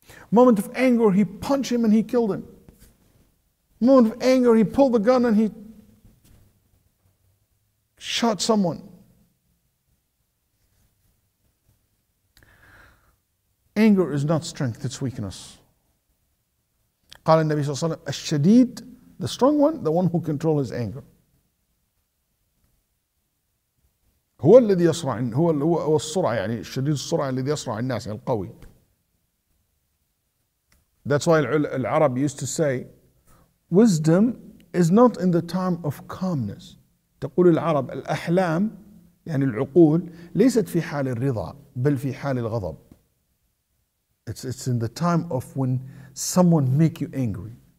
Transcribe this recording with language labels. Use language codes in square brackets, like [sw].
[en] Moment of anger, he punched him and he killed him. Moment of anger, he pulled the gun and he shot someone. Anger is not strength, it's weakness. [ar] قال النبي صلى الله عليه وسلم الشديد, [en] the strong one, the one who controls his anger. [ar] هو الذي يصرع, هو السرعة, يعني الشديد السرعة الذي يصرع الناس, يعني القوي. [en] That's why العرب used to say, wisdom is not in the time of calmness. [ar] تقول العرب الأحلام, يعني العقول, ليست في حال الرضا, بل في حال الغضب. [en] It's in the time of when someone make you angry.